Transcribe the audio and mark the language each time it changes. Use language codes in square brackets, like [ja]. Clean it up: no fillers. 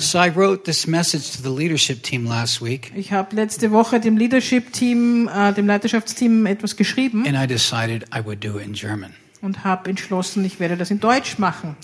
[en] So I wrote this message to the leadership team last week. [de] Ich habe letzte Woche dem Leadership Team, dem Leiterschaftsteam etwas geschrieben. [en] And I decided I would do it in German. [de] Und habe entschlossen, ich werde das in Deutsch machen.